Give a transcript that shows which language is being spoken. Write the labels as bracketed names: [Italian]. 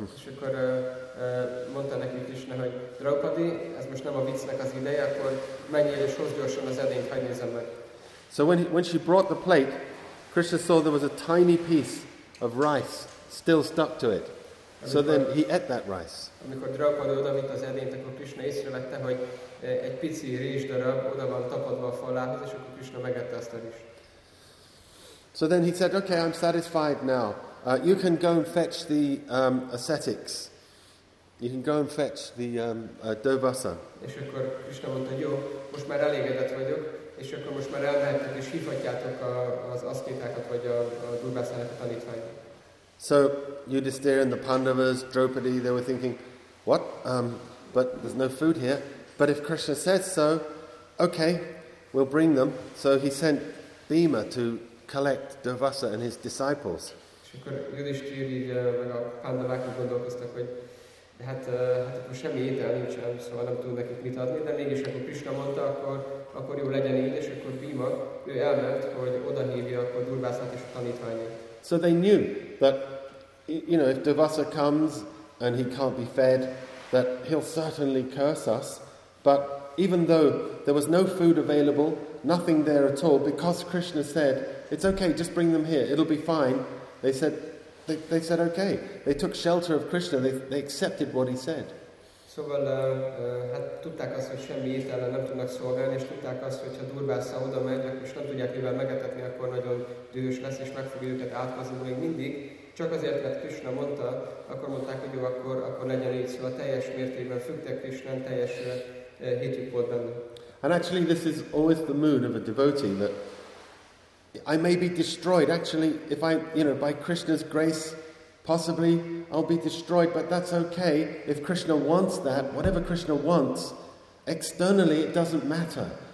[Hungarian] És akkor mondta neki Krisna, hogy Draupadi, ez most nem a viccnek az ideje, akkor menjél és hozd gyorsan az edényt, hadd nézem meg. [English] So when she brought the plate, Krishna saw there was a tiny piece of rice still stuck to it. So then he ate that rice. [Hungarian] Amikor Draupadi odavitte az edényt, akkor Krisna észrevette, hogy egy pici rizs darab oda van tapadva a falához, és akkor Krisna megette azt a rizst. [English] So then he said, okay, I'm satisfied now. You can go and fetch the ascetics. You can go and fetch the Dovasa. [Hungarian] És akkor Krisna mondta, jó, most már elégedett vagyok, és akkor most már elmehetek, és hívhatjátok az aszkétákat, vagy a Dovasának a tanítványát. [English] So Yudhisthira and the Pandavas, Draupadi, they were thinking, what? But there's no food here. But if Krishna says so, okay, we'll bring them. So he sent Bhima to collect Dovasa and his disciples. [Hungarian] Akkor Yudhisthira így meg a Pandavák úgy gondolkoztak, hogy hát akkor semmi étel nincsen, szóval nem tud nekik mit adni, de mégis akkor Krisna mondta, akkor jó legyen így, és akkor Bhima, ő elment, hogy oda hívja akkor Durvasát és a tanítványát. [English] So they knew that, you know, if Dovasa comes and he can't be fed, that he'll certainly curse us, but even though there was no food available, nothing there at all, because Krishna said, it's okay, just bring them here, it'll be fine, They said okay. They took shelter of Krishna. They accepted what he said. [Hungarian] Szóval hát tudták azt, hogy semmi étellel nem tudnak szolgálni, és tudták azt, hogy ha Durvasa oda megy, akkor nem tudják mivel megetetni, akkor nagyon dühös lesz, és meg fogja őket átkozni még mindig. Csak azért, mert Krishna mondta, akkor mondták, hogy jó, akkor legyen így, szóval teljes mértékben függtek Krishna, teljes hitük volt benne. [English] And actually this is always the mood of a devotee, that I may be destroyed, actually, if I, you know, by Krishna's grace, possibly, I'll be destroyed, but that's okay, if Krishna wants that, whatever Krishna wants, externally, it doesn't matter.